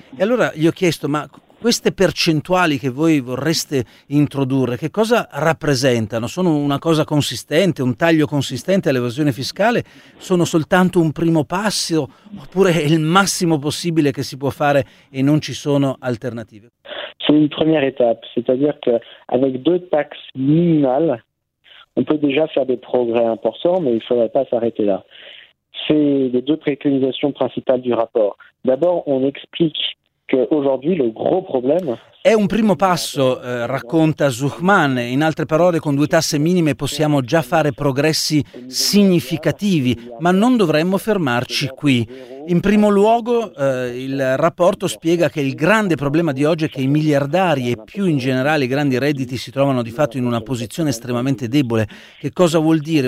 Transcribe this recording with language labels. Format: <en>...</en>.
<it>E allora gli ho chiesto, ma queste percentuali che voi vorreste introdurre, che cosa rappresentano? Sono una cosa consistente, un taglio consistente all'evasione fiscale? Sono soltanto un primo passo oppure è il massimo possibile che si può fare e non ci sono alternative? C'è una prima</it> <fr>étape, c'est-à-dire che avec 2 taxes minimales, on peut déjà faire des progrès importants, mais il ne faudrait pas s'arrêter là. C'est les 2 préconisations principales du rapport. D'abord, on explique qu'aujourd'hui, le gros problème...</fr> <it>È un primo passo, racconta Zucman. In altre parole, con 2 tasse minime possiamo già fare progressi significativi, ma non dovremmo fermarci qui. In primo luogo, il rapporto spiega che il grande problema di oggi è che i miliardari e più in generale i grandi redditi si trovano di fatto in una posizione estremamente debole. Che cosa vuol dire?</it>